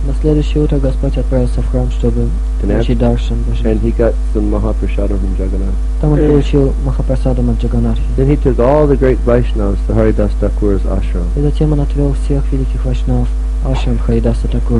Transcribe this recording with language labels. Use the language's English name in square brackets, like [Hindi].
[Russian] На следующее утро Господь отправился в храм, чтобы получить даршан. [English] And he got some mahaprasadam from Jagannath. [Russian] Там он получил mahaprasadam от Джаганатхи. [English] Then he took all the great Vaishnavas to Haridas Thakur's ashram. [Russian] И затем он отвел всех великих Вайшнавов в ашрам Харидаса Такура.